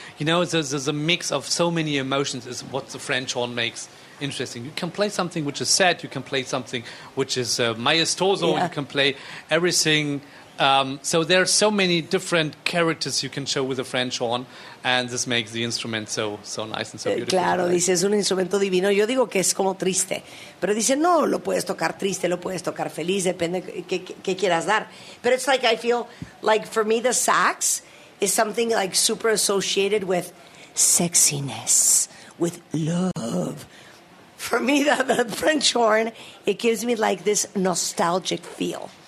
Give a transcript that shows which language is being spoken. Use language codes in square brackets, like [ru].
[en] You know, there's a mix of so many emotions is what the French horn makes interesting. You can play something which is sad. You can play something which is maestoso. Yeah. You can play everything So there are so many different characters you can show with a French horn, and this makes the instrument so, so nice and so beautiful. [es] Claro, dice, es un instrumento divino. Yo digo que es como triste, pero dice, no, lo puedes tocar triste, lo puedes tocar feliz, depende qué quieras dar. [en] But it's like, I feel like for me, the sax is something like super associated with sexiness, with love. For me, the French horn, it gives me like this nostalgic feel.